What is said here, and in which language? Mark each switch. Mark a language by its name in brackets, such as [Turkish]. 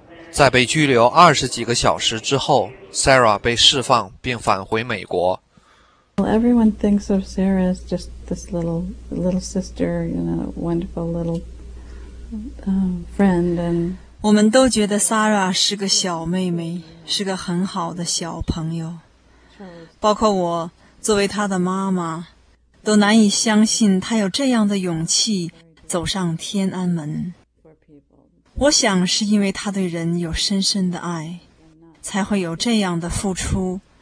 [Chinese] 在被拘留二十几个小时之后， Sarah 被释放并返回美国。 [English] Well, everyone thinks of Sarah as just this little sister, you know, wonderful little friend. And [Chinese] 我们都觉得 Sarah 是个小妹妹，是个很好的小朋友。包括我，作为她的妈妈，都难以相信她有这样的勇气走上天安门。我想是因为她对人有深深的爱，才会有这样的付出。